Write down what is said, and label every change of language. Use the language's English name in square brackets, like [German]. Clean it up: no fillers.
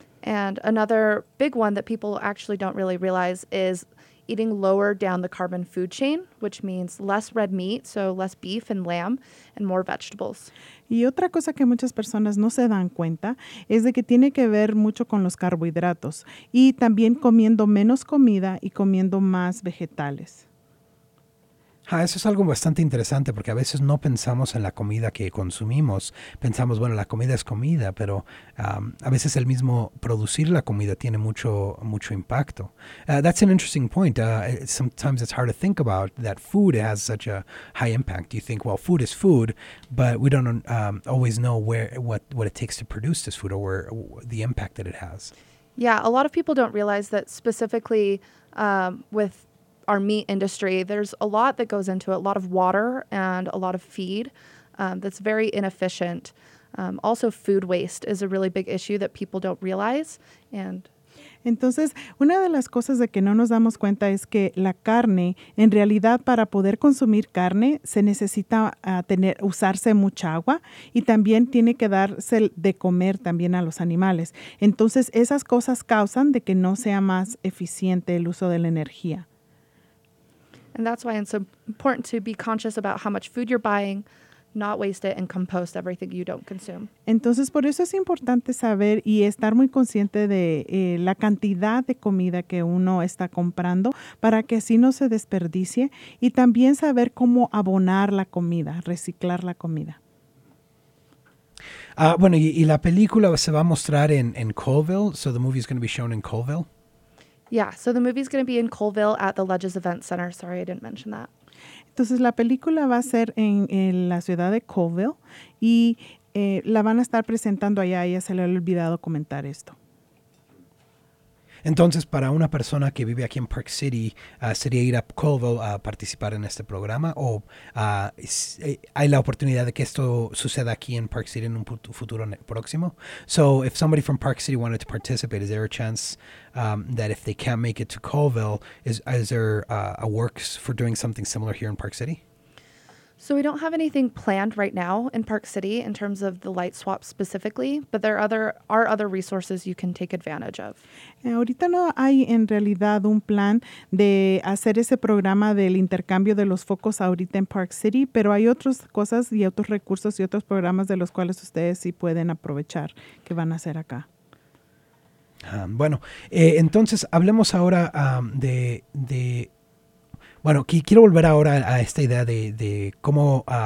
[English] And another big one that people actually don't really realize is eating lower down the carbon food chain, which means less red meat, so less beef and lamb, and more vegetables. [Spanish] Y otra cosa que muchas personas no se dan cuenta es de que tiene que ver mucho con los carbohidratos y también comiendo menos comida y comiendo más vegetales. Ah, eso es algo bastante interesante porque a veces no pensamos en la comida que consumimos. Pensamos, bueno, la comida es comida, pero a veces el mismo producir la comida tiene mucho, mucho impacto. [English] That's an interesting point. Sometimes it's hard to think about that food has such a high impact. You think, well, food is food, but we don't always know what it takes to produce this food or where the impact that it has. Yeah, a lot of people don't realize that specifically with our meat industry, there's a lot that goes into it, a lot of water and a lot of feed that's very inefficient. Also, food waste is a really big issue that people don't realize. And [Spanish] entonces, una de las cosas de que no nos damos cuenta es que la carne, en realidad, para poder consumir carne, se necesita usarse mucha agua y también tiene que darse de comer también a los animales. Entonces, esas cosas causan de que no sea más eficiente el uso de la energía. [English] And that's why it's important to be conscious about how much food you're buying, not waste it, and compost everything you don't consume. [Spanish] Entonces, por eso es importante saber y estar muy consciente de la cantidad de comida que uno está comprando para que así no se desperdicie, y también saber cómo abonar la comida, reciclar la comida. Bueno, y la película se va a mostrar en Colville, [English] so the movie is going to be shown in Colville. Yeah, so the movie's going to be in Colville at the Ledges Event Center. Sorry, I didn't mention that. [Spanish] Entonces, la película va a ser en la ciudad de Colville y la van a estar presentando allá. Ya se le ha olvidado comentar esto. Entonces, para una persona que vive aquí en Park City, sería ir a Colville a participar en este programa o hay la oportunidad de que esto suceda aquí en Park City en un futuro próximo. [English] So, if somebody from Park City wanted to participate, is there a chance that if they can't make it to Colville, is there a works for doing something similar here in Park City? So we don't have anything planned right now in Park City in terms of the light swap specifically, but there are other resources you can take advantage of. [Spanish] Ahorita no hay en realidad un plan de hacer ese programa del intercambio de los focos ahorita en Park City, pero hay otras cosas y otros recursos y otros programas de los cuales ustedes sí pueden aprovechar que van a hacer acá. Bueno, entonces hablemos ahora de Bueno, quiero volver ahora a esta idea de cómo